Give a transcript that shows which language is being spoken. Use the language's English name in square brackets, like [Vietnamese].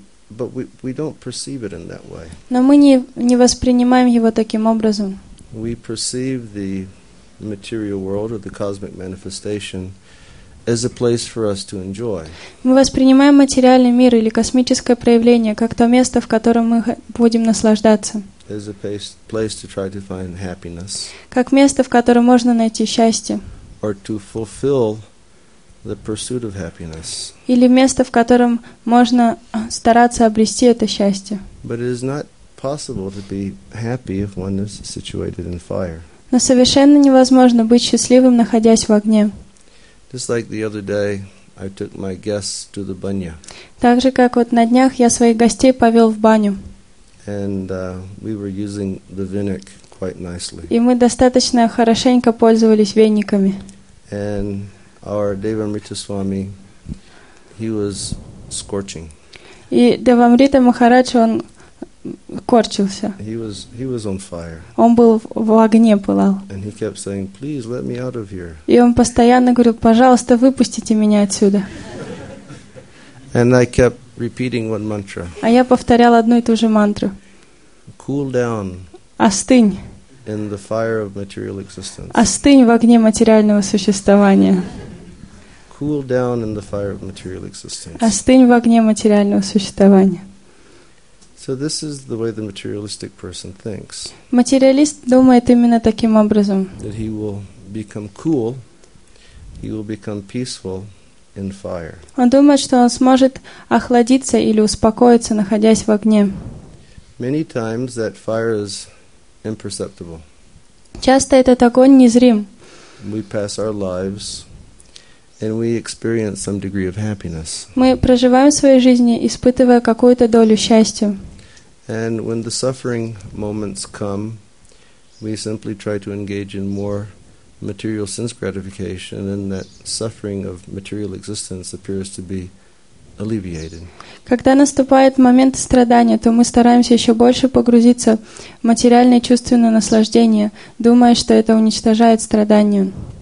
[English] But we don't perceive it in that way. [Russian] Но мы не воспринимаем его таким образом. [English] We perceive the material world or the cosmic manifestation as a place for us to enjoy. [Russian] Мы воспринимаем материальный мир или космическое проявление как то место, в котором мы будем наслаждаться. [English] As a place to try to find happiness. [Russian] Как место, в котором можно найти счастье. [English] Or to fulfill the pursuit of happiness. [Russian] Или место, в котором можно стараться обрести это счастье. [English] But it is not possible to be happy if one is situated in fire. [Russian] Но совершенно невозможно быть счастливым, находясь в огне. [English] Just like the other day, I took my guests to the banya. [Russian] Так же, как вот на днях я своих гостей повел в баню. [English] And we were using the vinik quite nicely. [Russian] И мы достаточно хорошенько пользовались вениками. [English] And our Devamrita Swami, he was scorching. [Russian] И Девамрита Махарадж, он корчился. [English] He was on fire. [Russian] Он был в огне, пылал. [English] And he kept saying, "Please let me out of here." [Russian] И он постоянно говорил: "Пожалуйста, выпустите меня отсюда." [English] And I kept repeating one mantra. [Russian] А я повторял одну и ту же мантру. [English] Cool down. [Russian] Остынь. [English] In the fire of material existence. [Russian] Остынь в огне материального существования. [English] Cool down in the fire of material existence. [Russian] Остынь в огне материального существования. [English] So this is the way the materialistic person thinks. [Russian] Материалист думает именно таким образом. [English] That he will become cool, he will become peaceful in fire. [Russian] Он думает, что он сможет охладиться или успокоиться, находясь в огне. [English] Many times that fire is imperceptible. [Russian] Часто этот огонь незрим. [English] We pass our lives and we experience some degree of happiness. [Russian] Мы проживаем свои жизни, испытывая какую-то долю счастья. [English] And when the suffering moments come, we simply try to engage in more material sense gratification, and that suffering of material existence appears to be alleviated. [Russian] Когда наступает момент страдания, то мы стараемся еще больше погрузиться в материальное чувственное наслаждение, думая, что это уничтожает страдания.